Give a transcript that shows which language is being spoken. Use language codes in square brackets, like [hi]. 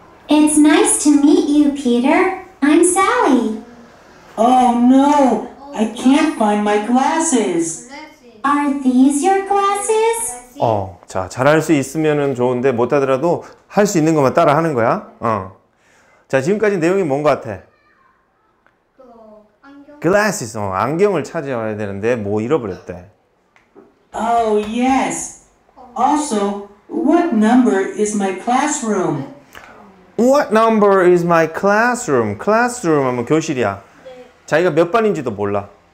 [en] It's nice to meet you, Peter. I'm Sally. Oh no, I can't find my glasses. Are these your glasses? [ko] 어, 자, 잘할 수 있으면은 좋은데 못하더라도 할 수 있는 것만 따라 하는 거야. 자, 지금까지 내용이 뭔 것 같아? 글래스, 안경을 찾아와야 되는데 뭐 잃어버렸대. [en] Oh yes. Also, what number is my classroom? What number is my classroom? [ko] Classroom 하면 교실이야. 자기가 몇 반인지도 몰라.